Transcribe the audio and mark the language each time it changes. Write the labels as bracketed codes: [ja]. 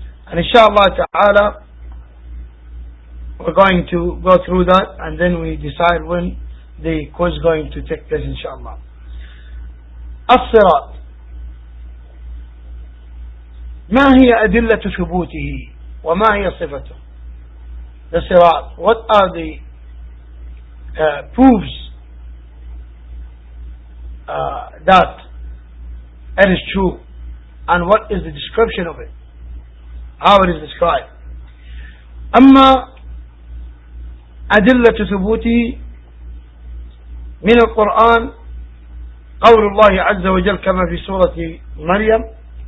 [en] And inshallah ta'ala, we're going to go through that and then we decide when the quiz is going to take place inshallah. [ar] As-sirat. ما هي أدلة ثبوته وما هي صفته؟ The sirat. [en] What are the proofs that it is true and what is the description of it? How it is described. [ar] أما أدلة ثبوته من القرآن قول الله عز وجل كما في سورة مريم.